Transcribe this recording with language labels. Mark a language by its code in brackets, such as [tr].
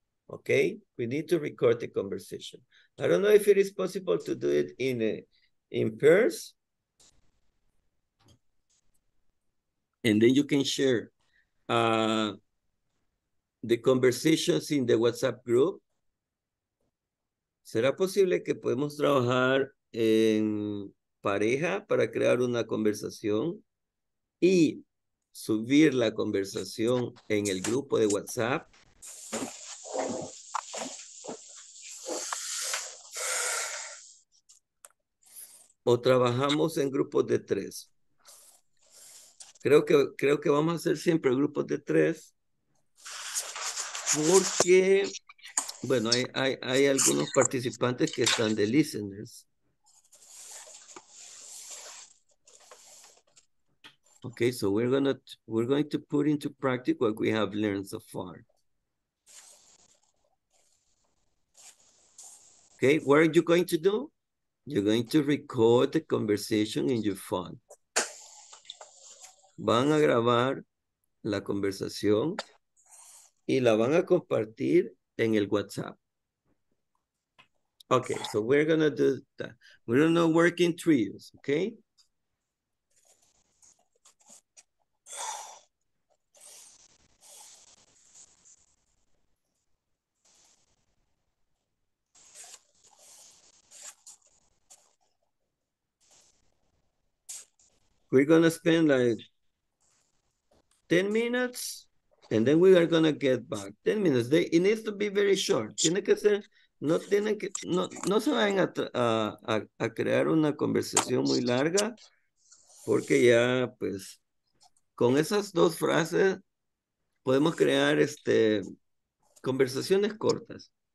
[en] Okay, we need to record the conversation. I don't know if it is possible to do it in pairs, and then you can share the conversations in the WhatsApp group. [es] ¿Será posible que podemos trabajar en pareja para crear una conversación y subir la conversación en el grupo de WhatsApp. ¿O trabajamos en grupos de tres? Creo que vamos a hacer siempre grupos de tres. Porque, bueno, hay algunos participantes que están de listeners. [en] Okay, so we're going to put into practice what we have learned so far. Okay, what are you going to do? You're going to record the conversation in your phone. [es] Van a grabar la conversación y la van a compartir en el WhatsApp. [en] Okay, so we're going to do that. We're going to work in trios, okay? We're going to spend like 10 minutes and then we are going to get back. 10 minutes. It needs to be very short. [es] Tiene que ser, no se vayan a crear una conversación muy larga porque ya, pues, con esas dos frases podemos crear conversaciones cortas.